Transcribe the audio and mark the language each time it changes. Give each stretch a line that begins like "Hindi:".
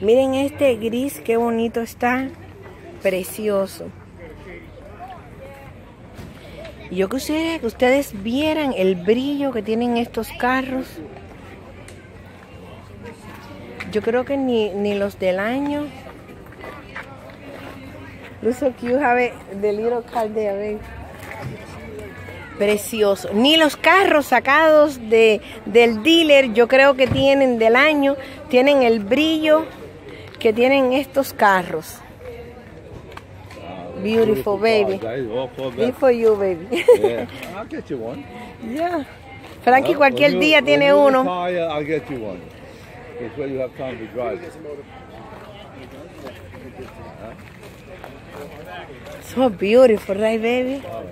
Spanish: Miren este gris, qué bonito está. Precioso. Yo quisiera que ustedes vieran el brillo que tienen estos carros. Yo creo que ni los del año.
English: Look so cute, have the little car there, babe.
Spanish: Precioso. Ni los carros sacados del dealer, yo creo que tienen del año, tienen el brillo que tienen estos carros.
English: Beautiful, baby. Good for you, baby. I'll get you one. Yeah.
Spanish: Frankie, yeah, cualquier
English: you,
Spanish: día tiene
English: you
Spanish: uno.
English: Retire, I'll get you one. It's where you have time to drive. So beautiful, right, baby?